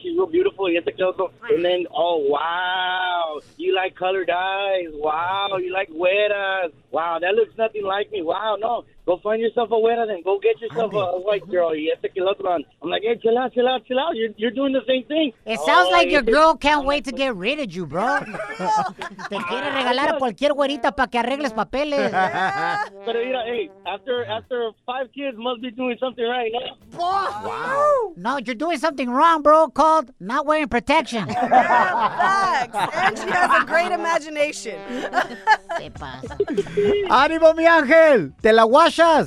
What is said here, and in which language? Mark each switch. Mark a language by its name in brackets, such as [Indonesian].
[English] She's real beautiful. You have to kill her. And then, oh, wow. You like colored eyes. Wow. You like güeras. Wow. That looks nothing like me. Wow. No. Go find yourself a güera then. Go get yourself a white girl. You have to kill her. I'm like, hey, chill out, chill out, chill out. You're doing the same thing. It sounds like your girl can't wait to get rid of you, bro. [Spanish] Te quiere regalar a cualquier güerita para que arregles papeles. [English] But, you know, hey, after five kids, must be doing something right now. Wow. No, you're doing something wrong, bro, called not wearing protection. And she has a great imagination. [Spanish] Se pasa. Ánimo, mi ángel. Te la guachas.